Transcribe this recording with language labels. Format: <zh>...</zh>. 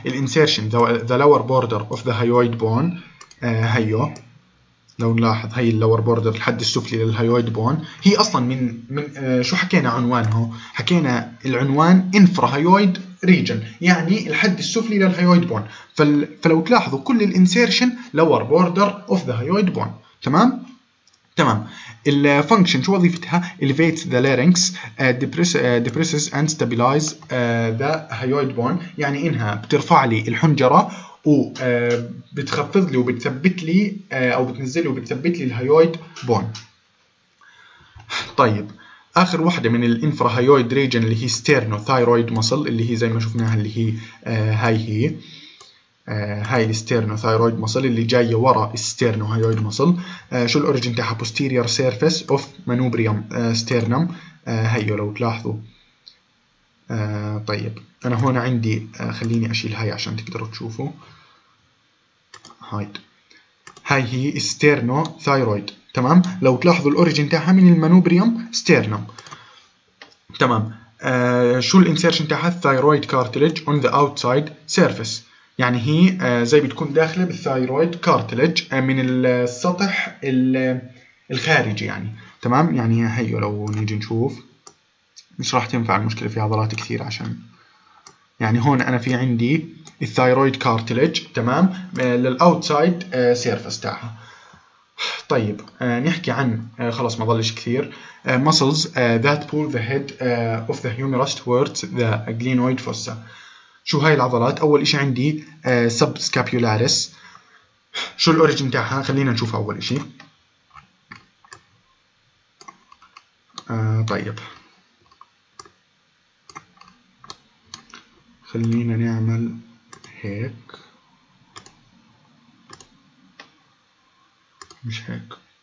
<ar>الانسيرشن</ar> <en>the lower border of the hyoid bone</en> <ar>هيو لو نلاحظ هاي اللور بوردر الحد السفلي للهيويد بون. هي أصلا من شو حكينا عنوانه؟ حكينا العنوان infrahyoid region يعني الحد السفلي للهيويد بون. فلو تلاحظوا كل الانسيرشن</ar> <en>lower border of the hyoid bone.</en> <ar>تمام؟ تمام. الفانكشن شو وظيفتها؟</ar> <en>elevates the larynx depresses and stabilize the hyoid bone.</en> <ar>يعني انها بترفع لي الحنجرة وبتخفض لي وبتثبت لي او بتنزل لي وبتثبت لي الهيويد بون. طيب اخر واحدة من الانفراهيويد ريجن اللي هي sternothyroid muscle اللي هي زي ما شفناها اللي هي هاي هي هاي الستيرنوثايرويد مصل اللي جاية وراء الستيرنوهايويد مصل. شو الأوريجين تاعها؟</ar> <en>posterior surface of manubrium sternum.</en> <ar>هيو لو تلاحظوا طيب أنا هون عندي خليني أشيل هاي عشان تقدروا تشوفوا هاي هي الستيرنوثايرويد. تمام. لو تلاحظوا الأوريجين تاعها من المانوبريوم sternum. تمام. شو الانسيرشن تاعها؟</ar> <en>thyroid cartilage on the outside surface.</en> <ar>يعني هي زي بتكون داخلة بالثايرويد كارتلج من السطح الخارجي يعني. تمام. يعني هيو لو نيجي نشوف مش راح تنفع المشكلة في عضلات كثير عشان يعني هون أنا في عندي الثايرويد كارتلج. تمام. للأوتسايد سيرفس تاعها. طيب نحكي عن خلاص ما ضلش كثير</ar> <en>muscles that pull the head of the humerus towards the glenoid fossa.</en> <ar>شو هاي العضلات؟ أول إشي عندي subscapularis. شو الأوريجين تاعها؟ خلينا نشوف أول إشي. طيب خلينا نعمل هيك مش هيك.</ar>